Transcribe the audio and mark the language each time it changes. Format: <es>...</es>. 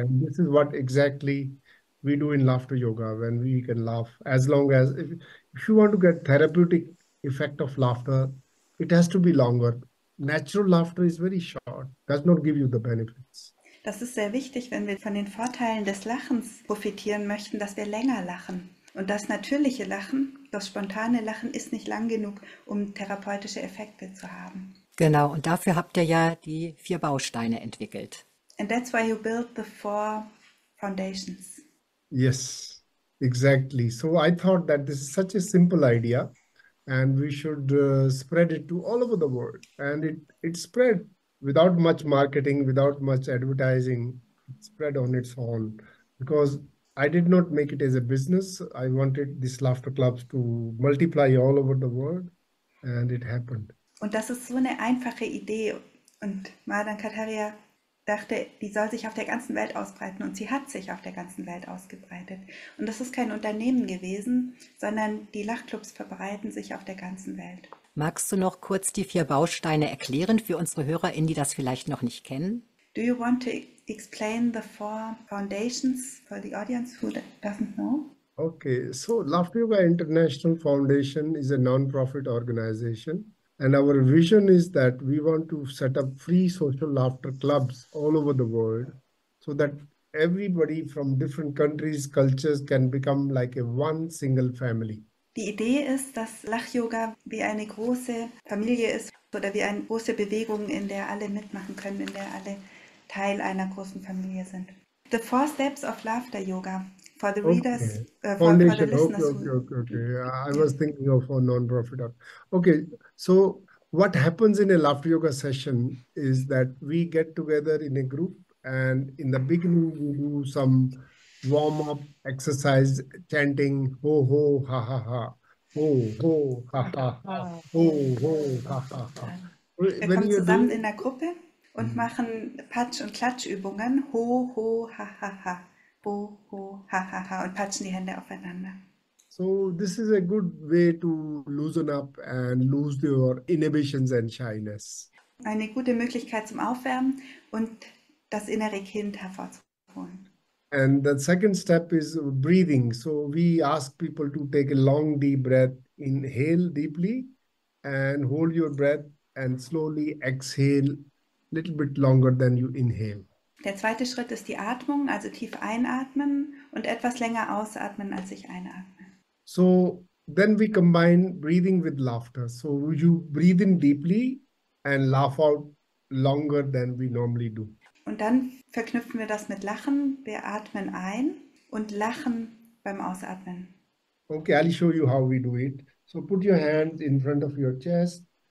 <en>And this is what exactly we do in laughter yoga, when we can laugh as long as, if you want to get therapeutic effect of laughter, it has to be longer. Natural laughter is very short, does not give you the benefits.</en> <de>Das ist sehr wichtig, wenn wir von den Vorteilen des Lachens profitieren möchten, dass wir länger lachen. Und das natürliche Lachen, das spontane Lachen, ist nicht lang genug, um therapeutische Effekte zu haben. Genau, und dafür habt ihr ja die vier Bausteine entwickelt.</de> <en>And that's why you build the four foundations. Yes, exactly. So I thought that this is such a simple idea and we should spread it to all over the world. And it spread without much marketing, without much advertising. It spread on its own because I did not make it as a business. I wanted these laughter clubs to multiply all over the world and it happened.</en> <de>Und das ist so eine einfache Idee. Und Madan Kataria dachte, die soll sich auf der ganzen Welt ausbreiten. Und sie hat sich auf der ganzen Welt ausgebreitet. Und das ist kein Unternehmen gewesen, sondern die Lachclubs verbreiten sich auf der ganzen Welt. Magst du noch kurz die vier Bausteine erklären für unsere HörerInnen, die das vielleicht noch nicht kennen?</de> <en>Do you want to explain the four foundations for the audience who doesn't know? Okay, so Laughter Yoga International Foundation is a non-profit organization. And our vision is that we want to set up free social laughter clubs all over the world so that everybody from different countries, cultures can become like a one single family.</en> <de>Die Idee ist, dass Lach-Yoga wie eine große Familie ist oder wie eine große Bewegung, in der alle mitmachen können, in der alle Teil einer großen Familie sind.</de> <en>The four steps of laughter yoga. For the readers, okay. For the listeners. I was thinking of a non-profit. Okay, so what happens in a laughter yoga session is that we get together in a group and in the beginning we do some warm-up exercise, chanting, ho, ho, ha, ha, ha, ho, ho, ha, ha, ha, ho, ho, ha, ha, ha.</en> <de>Wir kommen zusammen in der Gruppe und machen Patsch- und Klatschübungen, ho, ho, ha, ha, ha. Boho, ha ha ha, und patschen die Hände aufeinander.</de> <en>So this is a good way to loosen up and lose your inhibitions and shyness.</en> <de>Eine gute Möglichkeit zum Aufwärmen und das innere Kind hervorzuholen.</de> <en>And the second step is breathing. So we ask people to take a long deep breath, inhale deeply and hold your breath and slowly exhale a little bit longer than you inhale.</en> <de>Der zweite Schritt ist die Atmung, also tief einatmen und etwas länger ausatmen, als ich einatme.</de> <en>So then we combine breathing with laughter. So you breathe in deeply and laugh out longer than we normally do.</en> <de>Und dann verknüpfen wir das mit Lachen. Wir atmen ein und lachen beim Ausatmen.</de> <en>Okay, I'll show you how we do it. So put your hands in front of your chest.</en>